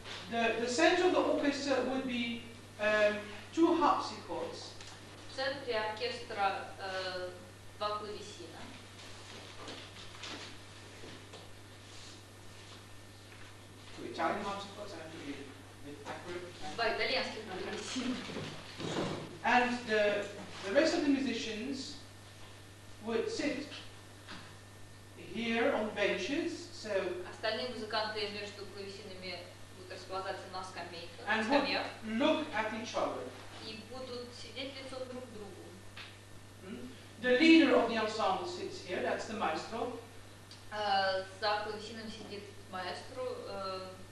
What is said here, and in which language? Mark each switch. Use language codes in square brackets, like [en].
[en] The center of the orchestra would be two harpsichords. [ru] В центре оркестра два клавесина. [en] Two Italian harpsichords, I have to be accurate. [ru] Два итальянских клавесина. [en] And the rest of the musicians would sit here on benches, so. [ru] Остальные музыканты между клавесинами будут располагаться на скамейках. [en] And would look at each other. [ru] И будут сидеть лицом друг к другу. [en] The leader of the ensemble sits here. That's the maestro. [ru] За клавесином сидит маэстро.